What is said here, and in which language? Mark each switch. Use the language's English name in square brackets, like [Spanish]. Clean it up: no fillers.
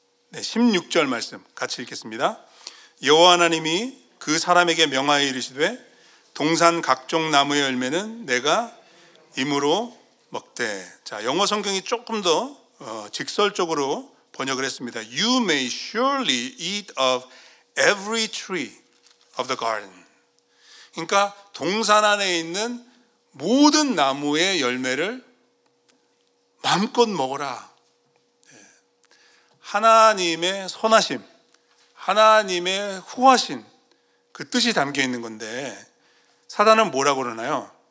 [Korean] 네, 16절 말씀 같이 읽겠습니다. 여호와 하나님이 그 사람에게 명하여 이르시되 동산 각종 나무의 열매는 내가 임으로 먹되. 자, 영어 성경이 조금 더 직설적으로 번역을 했습니다. [English] You may surely eat of every tree of the garden. [Korean] 그러니까 동산 안에 있는 모든 나무의 열매를 마음껏 먹어라. 하나님의 선하심, 하나님의 후하신 그 뜻이 담겨 있는 건데 사단은 뭐라고 그러나요?